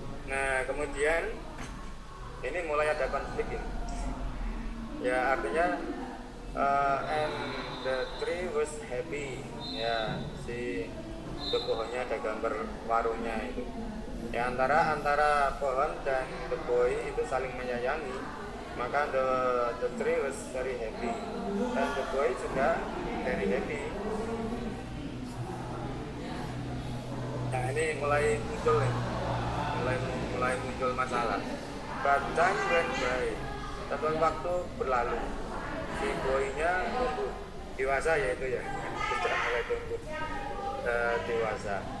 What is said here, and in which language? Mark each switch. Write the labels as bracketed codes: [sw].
[id] Nah kemudian ini mulai ada konflik ini. Ya artinya [en] and the tree was happy. [id] Ya si the pohonnya ada gambar warungnya itu. Ya antara pohon dan [en] the boy [id] itu saling menyayangi. [en] maka the tree was very happy dan the boy juga very happy. [id] Nah ini mulai muncul masalah. [en] But time went by, [id] tapi waktu berlalu, si boynya tumbuh dewasa, yaitu ya sudah mulai tumbuh dewasa.